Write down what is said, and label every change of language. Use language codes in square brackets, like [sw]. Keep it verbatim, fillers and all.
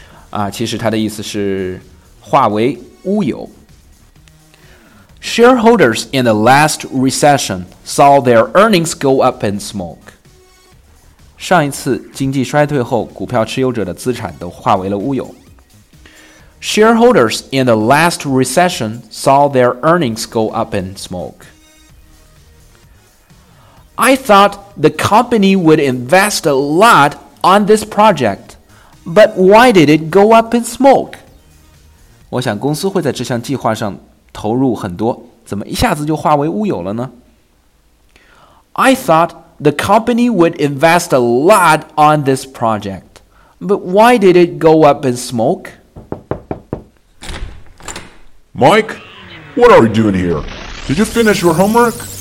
[zh] 啊，其实它的意思是化为乌有。 [en] Shareholders in the last recession saw their earnings go up in smoke. [zh] 上一次经济衰退后，股票持有者的资产都化为了乌有。 [en] Shareholders in the last recession saw their earnings go up in smoke. I thought the company would invest a lot on this project, but why did it go up in smoke? [zh] 我想公司会在这项计划上投入很多，怎么一下子就化为乌有了呢？ [en] I thought the company would invest a lot on this project, but why did it go up in smoke? Mike, what are you doing here? Did you finish your homework?